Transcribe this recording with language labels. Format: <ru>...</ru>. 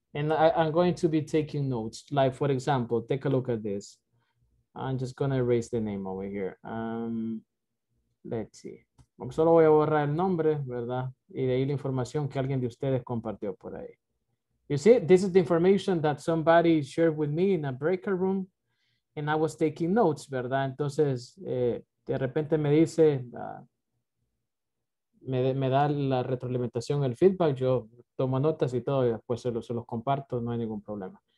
<en>And I'm going to be taking notes. Like, for example, take a look at this. I'm just going to erase the name over here. Let's see.</en> <es>Solo voy a borrar el nombre, ¿verdad? Y de ahí la información que alguien de ustedes compartió por ahí.</es> <en>You see, this is the information that somebody shared with me in a breakout room. And I was taking notes,</en> <es>¿verdad? Entonces, de repente me dice, me da la retroalimentación, el feedback, yo tomo notas y todo, y después se los comparto, no hay ningún problema.</es>